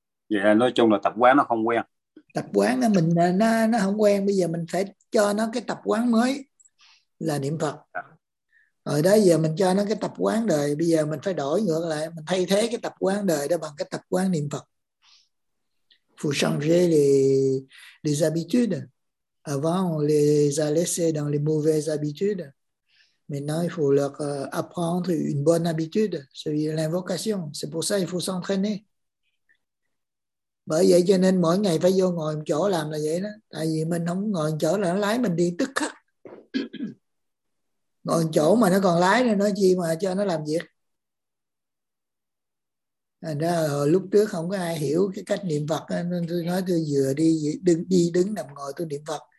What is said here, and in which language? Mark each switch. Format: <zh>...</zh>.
<vi>Vậy yeah, nói chung là tập quán nó không quen. Tập quán đó mình nó không quen. Bây giờ mình phải cho nó cái tập quán mới là niệm Phật. Rồi đó giờ mình cho nó cái tập quán đời. Bây giờ mình phải đổi ngược lại. Mình thay thế cái tập quán đời đó bằng cái tập quán niệm Phật.</vi> <fr>Faut changer les habitudes. Avant on les a laissés dans les mauvaises habitudes. Maintenant, il faut leur apprendre une bonne habitude, celui de l'invocation. C'est pour ça qu'il faut s'entraîner.</fr> <vi>Bởi vậy cho nên mỗi ngày phải vô ngồi một chỗ làm là vậy đó. Tại vì mình không ngồi một chỗ là nó lái mình đi tức khắc. Ngồi một chỗ mà nó còn lái nó chi mà cho nó làm việc. Thành ra lúc trước không có ai hiểu cái cách niệm Phật. Nên tôi nói tôi vừa đi đứng nằm ngồi tôi niệm Phật.</vi>